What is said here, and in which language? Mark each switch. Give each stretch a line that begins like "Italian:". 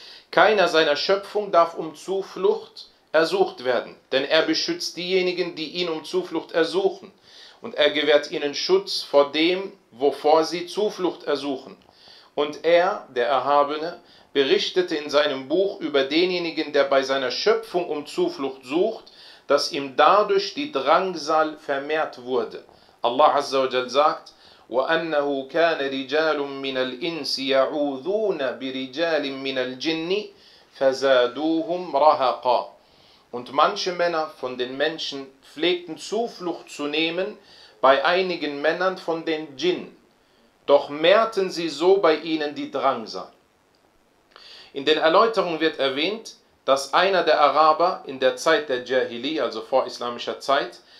German: Keiner seiner Schöpfung darf um Zuflucht ersucht werden, denn er beschützt diejenigen, die ihn um Zuflucht ersuchen, und er gewährt ihnen Schutz vor dem, wovor sie Zuflucht ersuchen. Und er, der Erhabene, berichtete in seinem Buch über denjenigen, der bei seiner Schöpfung um Zuflucht sucht, dass ihm dadurch die Drangsal vermehrt wurde.
Arabic: Allah Azza wa Jal sagt, وَأَنَّهُ كَانَ رِجَالٌ مِّنَ الْإِنْسِ يَعُوذُونَ بِرِجَالٍ مِّنَ الْجِنِّ فَزَادُوهُمْ رَهَقًا.
German: Und manche Männer von den Menschen pflegten Zuflucht zu nehmen bei einigen Männern von den Djinn, doch mehrten sie so bei ihnen die Drangsal. In den Erläuterungen wird erwähnt, dass einer der Araber in der Zeit der Jahili, also vorislamischer Zeit,